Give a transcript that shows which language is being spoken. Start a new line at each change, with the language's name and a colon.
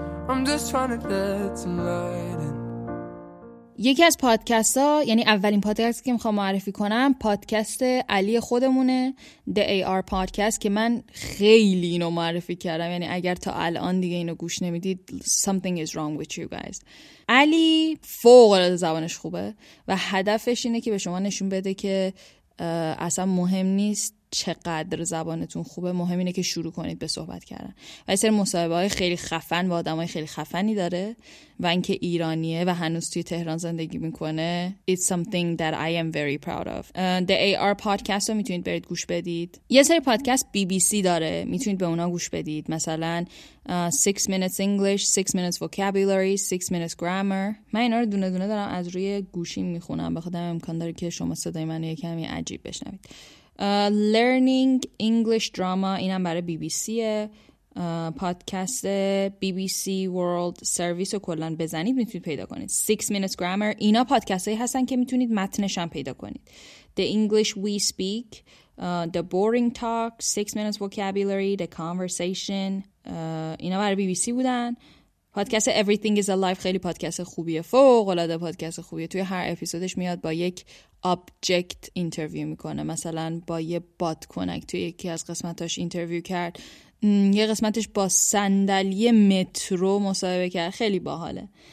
English: I'm just trying to let some light in.
Persian: یکی از پادکست ها، یعنی اولین پادکست که میخوام معرفی کنم، پادکست علی خودمونه، The AR Podcast، که من خیلی اینو معرفی کردم. یعنی اگر تا الان دیگه اینو گوش نمیدید
English: something is wrong with you guys.
Persian: علی فوق العاده زبانش خوبه و هدفش اینه که به شما نشون بده که اصلا مهم نیست چقدر زبانتون خوبه، مهم اینه که شروع کنید به صحبت کردن. و یه سری مصاحبه های خیلی خفن با آدم های خیلی خفنی داره و اینکه ایرانیه و هنوز توی تهران زندگی میکنه.
English: It's something that I am very proud of.
Persian: The AR podcast رو میتونید برید گوش بدید. یه سری پادکست BBC داره، میتونید به اونا گوش بدید. مثلا 6 minutes English, 6 minutes vocabulary, 6 minutes grammar. من اینا رو دونه دونه دارم از روی گوشی میخونم، بخاطر امکان داره که شما صدای من رو یکمی عجیب بشنوید. Learning English Drama، اینم برای BBCه. پادکست BBC World Service رو کلن بزنید میتونید پیدا کنید. 6 minutes grammar، اینا پادکست هایی هستن که میتونید متنش هم پیدا کنید. The English We Speak، The Boring Talk، 6 minutes vocabulary، The Conversation، اینا برای BBC بودن. پادکست Everything is Alive خیلی پادکست خوبیه، فوق العاده پادکست خوبیه. توی هر اپیزودش میاد با یک آبجکت اینترویو میکنه، مثلا با یه بادکنک توی یکی از قسمتاش اینترویو کرد، یه قسمتش با صندلی مترو مصاحبه کرد، خیلی باحاله.